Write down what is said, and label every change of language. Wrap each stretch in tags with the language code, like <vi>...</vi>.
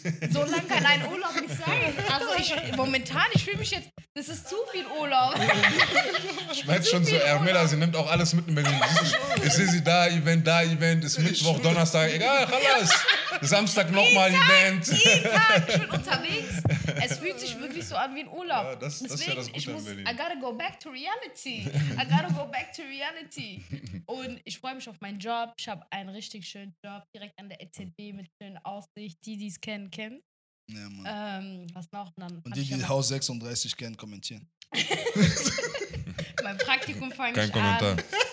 <de>So lange kann ein Urlaub nicht sein. Also ich fühle mich jetzt, das ist zu viel Urlaub. Ich merke schon so, Ermela, sie nimmt auch alles mit in Berlin. Ich sehe sie da, Event, ist Mittwoch, Donnerstag, egal, alles. Samstag nochmal Event. Jeden Tag, ich bin unterwegs. Es fühlt sich wirklich so an wie ein Urlaub. Ja, das ist ja das Gute in Berlin.</de> <en>I gotta go back to reality.</en> <de>Und ich freue mich auf meinen Job. Ich habe einen richtig schönen Job, direkt an der EZB mit schönen Aussicht. Die es kennen. Ja, Mann. Was noch? Dann und die, die Haus 36 kennen, kommentieren. Mein Praktikum fange ich an. Kein Kommentar.</de>